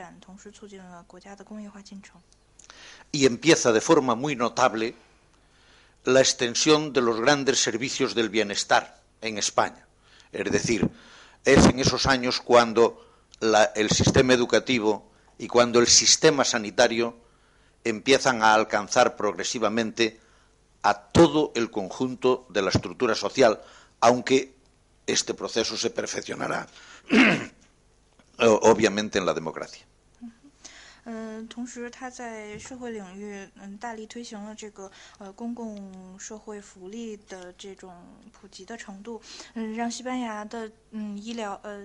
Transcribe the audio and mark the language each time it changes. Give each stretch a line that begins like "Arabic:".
Chinese: 同时，他也在教育领域第一次得到了广泛的发展。大学，它更普遍，就是更加普及。然后，这种教育上的发展，同时促进了国家的工业化进程。
Spanish: Y empieza de forma muy notable la extensión de los grandes servicios del bienestar en España. Es decir, es en esos años cuando el sistema educativo y cuando el sistema sanitario empiezan a alcanzar progresivamente a todo el conjunto de la estructura social, aunque este proceso se perfeccionará, obviamente, en la democracia.
Chinese: 同时，他在社会领域大力推行了这个公共社会福利的这种普及的程度，让西班牙的医疗